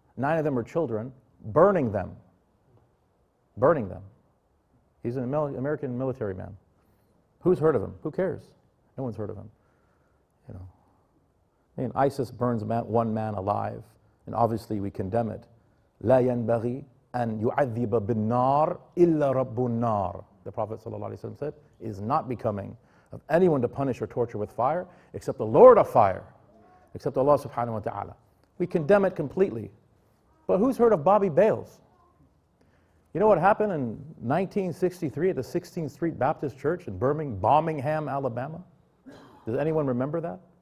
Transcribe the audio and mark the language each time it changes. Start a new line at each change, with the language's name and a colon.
English: 9 of them are children, burning them. Burning them. He's an American military man. Who's heard of him? Who cares? No one's heard of him. You know. I mean, ISIS burns one man alive, and obviously we condemn it.
Arabic: لا ينبغي أن يعذب بالنار إلا رب النار.
English: The Prophet ﷺ said, is not becoming of anyone to punish or torture with fire except the Lord of fire, except Allah subhanahu wa ta'ala. We condemn it completely. But who's heard of Bobby Bales? You know what happened in 1963 at the 16th Street Baptist Church in Birmingham, Alabama? Does anyone remember that?